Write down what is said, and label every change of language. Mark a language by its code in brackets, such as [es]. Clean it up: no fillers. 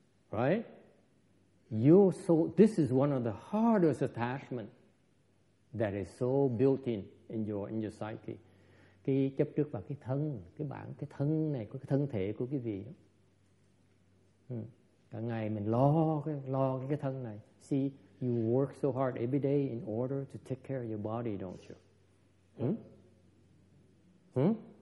[en] Right. Your soul, this is one of the hardest attachments that is so built in your psyche. [vi] Cái chấp trước vào cái thân này, của cái thân thể của cái gì đó. Cả ngày mình lo cái thân này. [en] See, you work so hard every day in order to take care of your body, don't you?